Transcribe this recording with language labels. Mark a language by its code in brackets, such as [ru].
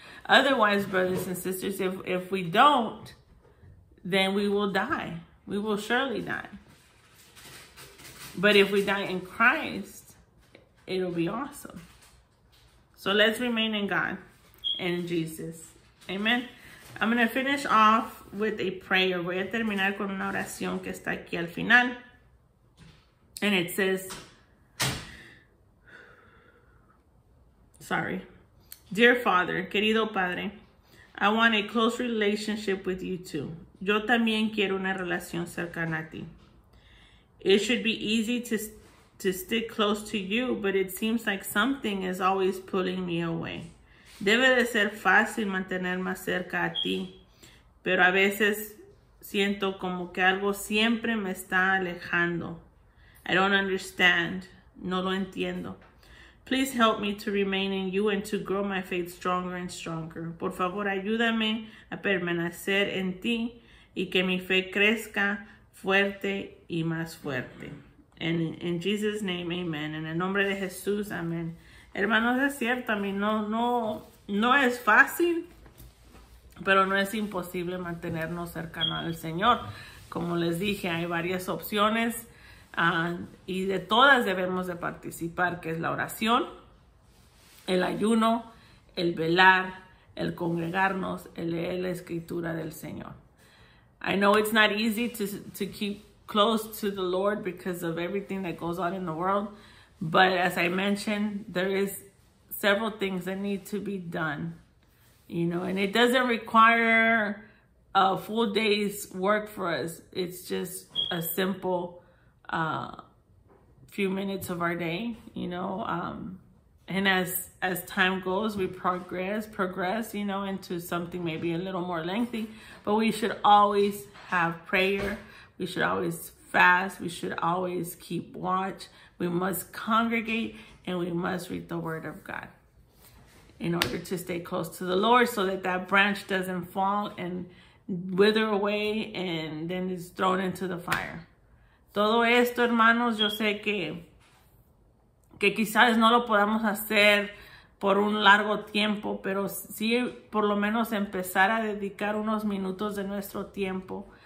[en] Otherwise, brothers and sisters, if we don't, then we will die. We will surely die. But if we die in Christ, it'll be awesome. So let's remain in God and Jesus. Amen. I'm going to finish off with a prayer. [es] Voy a terminar con una oración que está aquí al final. [en] And it says, sorry. Dear Father, [es] querido Padre, [en] I want a close relationship with you too. [es] Yo también quiero una relación cercana a ti. [en] It should be easy to stick close to you, but it seems like something is always pulling me away. [es] Debe de ser fácil mantenerme cerca a ti, pero a veces siento como que algo siempre me está alejando. [en] I don't understand. [es] No lo entiendo. [en] Please help me to remain in you and to grow my faith stronger and stronger. [es] Por favor, ayúdame a permanecer en ti y que mi fe crezca fuerte y más fuerte. [en] And in Jesus' name, amen. [es] En el nombre de Jesús, amen. Hermanos, es cierto, a mí no es fácil, pero no es imposible mantenernos cercanos al Señor. Como les dije, hay varias opciones. Y de todas debemos de participar, que es la oración, el ayuno, el velar, el congregarnos, el leer la escritura del Señor. [en] I know it's not easy to keep close to the Lord because of everything that goes on in the world, but as I mentioned, there is several things that need to be done, you know, and it doesn't require a full day's work for us. It's just a simple few minutes of our day, you know, and as time goes, we progress, you know, into something maybe a little more lengthy, but we should always have prayer. We should always fast. We should always keep watch. We must congregate and we must read the word of God in order to stay close to the Lord so that branch doesn't fall and wither away and then is thrown into the fire. [es] Todo esto, hermanos, yo sé que quizás no lo podamos hacer por un largo tiempo, pero sí por lo menos empezar a dedicar unos minutos de nuestro tiempo.